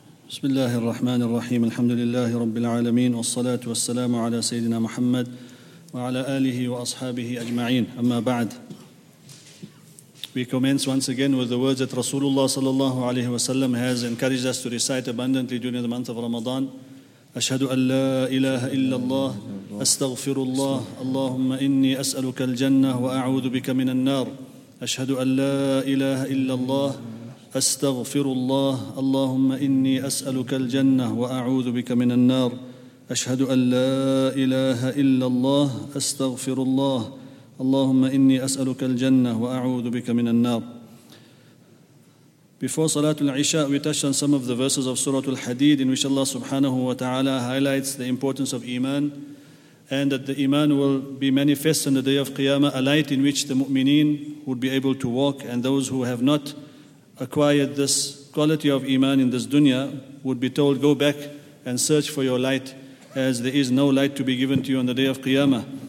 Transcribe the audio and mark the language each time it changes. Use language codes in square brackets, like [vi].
[ar] بسم الله الرحمن الرحيم الحمد لله رب العالمين والصلاة والسلام على سيدنا محمد وعلى آله وأصحابه أجمعين أما بعد. [en] We commence once again with the words that Rasulullah صلى الله عليه وسلم has encouraged us to recite abundantly during the month of Ramadan. [ar] أشهد أن لا إله إلا الله أستغفر الله اللهم إني أسألك الجنة وأعوذ بك من النار أشهد أن لا إله إلا الله أستغفر الله اللهم إني أسألك الجنة وأعوذ بك من النار أشهد أن لا إله إلا الله أستغفر الله اللهم إني أسألك الجنة وأعوذ بك من النار. [en] Before Salatul Isha, we touched on some of the verses of Suratul Hadid, in which Allah subhanahu wa ta'ala highlights the importance of Iman, and that the Iman will be manifest on the day of Qiyamah, a light in which the mu'mineen would be able to walk, and those who have not acquired this quality of Iman in this dunya would be told, go back and search for your light, as there is no light to be given to you on the day of Qiyamah.